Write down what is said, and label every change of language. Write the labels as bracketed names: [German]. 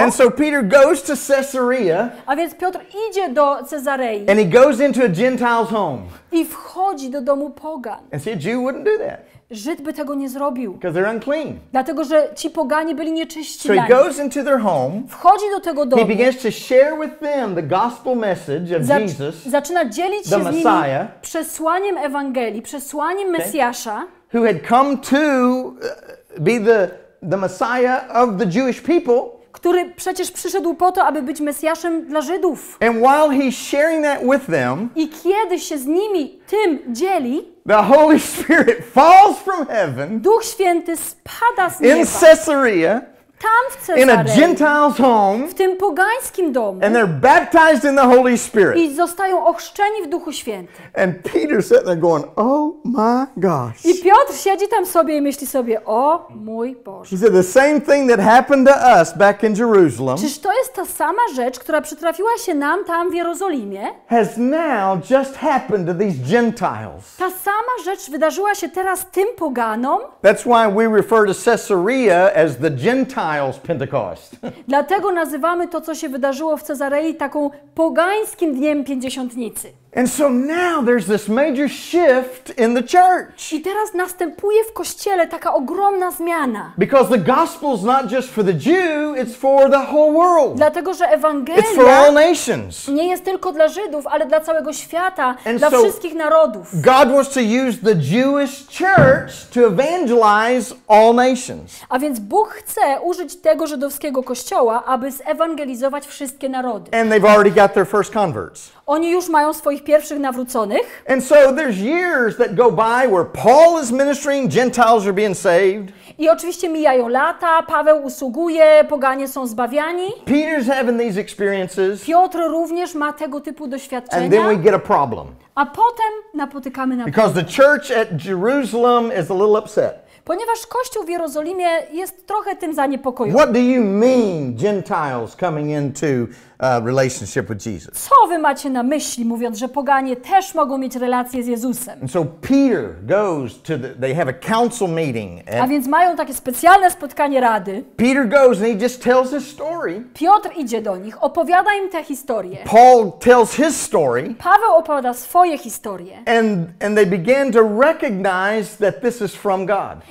[English] And so Peter goes to Caesarea. [Polish] A więc Piotr idzie do Cezarei. [English] And he goes into a Gentile's home. [Polish] I wchodzi do domu pogan. [English] And see, a Jew wouldn't do that. [Polish] Żyd by tego nie zrobił. [English] Because they're unclean. [Polish] Dlatego, że ci poganie byli nieczyści. [English] So he goes into their home. [Polish] Wchodzi do tego domu. [English] He begins to share with them the gospel message of Jesus. [Polish] Zaczyna dzielić się z nimi przesłaniem Ewangelii, przesłaniem Mesjasza. [English] Okay. Who had come to be the Messiah of the Jewish people. [Polish] Który przecież przyszedł po to, aby być Mesjaszem dla Żydów. [English] And while he's sharing that with them, [Polish] i kiedy się z nimi tym dzieli, [English] the Holy Spirit falls from heaven, [Polish] Duch Święty spada z [English] in [Polish] nieba, [English] Caesarea, [Polish] tam w Cezarei, [English] in a Gentile's home, [Polish] w tym pogańskim domu, [English] and they're baptized in the Holy Spirit. [Polish] I zostają ochrzczeni w Duchu Świętym. [English] And Peter's sitting there going, oh my gosh. [Polish] I Piotr siedzi tam sobie i myśli sobie, o mój Boże. [English] He said, the same thing that happened to us back in Jerusalem, [Polish] czyż to jest ta sama rzecz, która przytrafiła się nam tam w Jerozolimie, [English] has now just happened to these Gentiles. [Polish] Ta sama rzecz wydarzyła się teraz tym poganom. [English] That's why we refer to Caesarea as the Gentile. Pentecost. [Polish] Dlatego nazywamy to, co się wydarzyło w Cezarei, taką pogańskim dniem Pięćdziesiątnicy. [English] And so now there's this major shift in the church. [Polish] I teraz następuje w kościele taka ogromna zmiana. [English] Because the gospel is not just for the Jew, it's for the whole world. [Polish] Dlatego że Ewangelia [English] it's for all nations. [Polish] Nie jest tylko dla Żydów, ale dla całego świata, and dla so wszystkich narodów. [English] God wants to use the Jewish church to evangelize all nations. [Polish] A więc Bóg chce użyć tego żydowskiego kościoła, aby zewangelizować wszystkie narody. [English] And they've already got their first converts. [Polish] Oni już mają swoich pierwszych nawróconych. [English] And so there's years that go by where Paul is ministering, Gentiles are being saved. [Polish] I oczywiście mijają lata, Paweł usługuje, poganie są zbawiani. [English] Peter's having these experiences. [Polish] Piotr również ma tego typu doświadczenia. [English] And then we get a problem. [Polish] A potem napotykamy na [English] Because [Polish] problem. [English] The church at Jerusalem is a little upset. [Polish] Ponieważ Kościół w Jerozolimie jest trochę tym zaniepokojony. [English] What do you mean, Gentiles coming into relationship with Jesus? [Polish] Co wy macie na myśli, mówiąc, że poganie też mogą mieć relacje z Jezusem? [English] And so Peter goes to they have a council meeting. [Polish] A więc mają takie specjalne spotkanie rady. [English] Peter goes and he just tells his story. [Polish] Piotr idzie do nich, opowiada im tę historię. [English] Paul tells his story. [Polish] Paweł opowiada swoje historie. [English] And they begin to recognize that this is from God.